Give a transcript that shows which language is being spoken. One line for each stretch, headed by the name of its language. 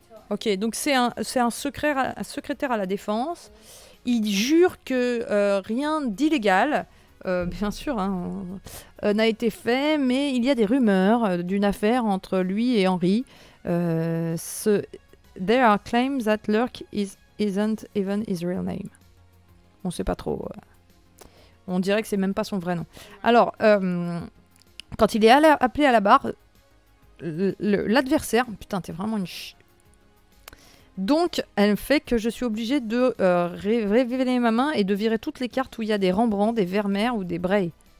French: Ok, donc c'est un secrétaire à la défense. Il jure que rien d'illégal, bien sûr, hein, n'a été fait, mais il y a des rumeurs d'une affaire entre lui et Henry.
English: There are claims that Lurk isn't even his real name.
French: On ne sait pas trop. On dirait que ce n'est même pas son vrai nom. Alors, quand il est appelé à la barre, l'adversaire... Putain, t'es vraiment une... Donc, elle fait que je suis obligée de révéler ma main et de virer toutes les cartes où il y a des Rembrandt, des Vermeer ou des Bray.